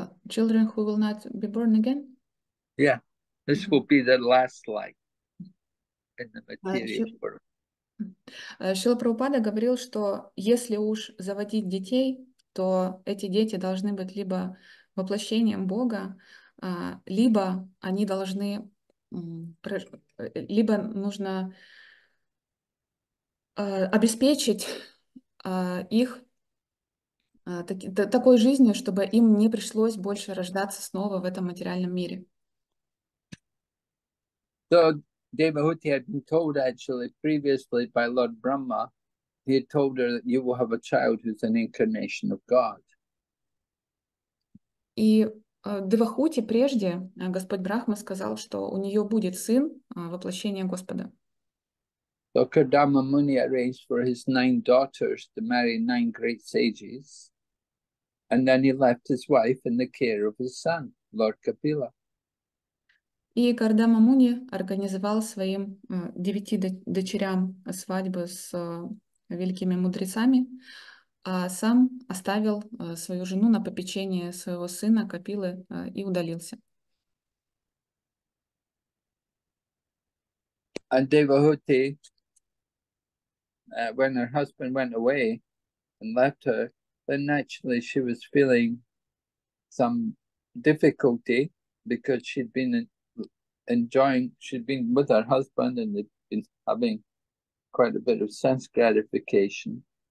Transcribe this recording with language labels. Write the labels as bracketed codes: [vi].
[en] Children who will not be born again? Yeah, this mm-hmm. will be their last life in the material world. [ru] Шрила Прабхупада говорил, что если уж заводить детей, то эти дети должны быть либо воплощением Бога, либо они должны, либо нужно обеспечить их такой жизнью, чтобы им не пришлось больше рождаться снова в этом материальном мире. [en] So Devahuti had been told actually previously by Lord Brahma He had told her that you will have a child who's an incarnation of God. [ru] И Девахути прежде Господь Брахма сказал, что у нее будет сын воплощение Господа. [en] So Kardama Muni arranged for his nine daughters to marry nine great sages, and then he left his wife in the care of his son, Lord Kapila. [ru] И Кардама Муни организовал своим девяти дочерям свадьбы с великими мудрецами, а сам оставил свою жену на попечение своего сына Капилы и удалился. [en] And Devahuti, when her husband went away and left her, then naturally she was feeling some difficulty because she'd been enjoying, she'd been with her husband and they'd been having quite a bit of sense gratification.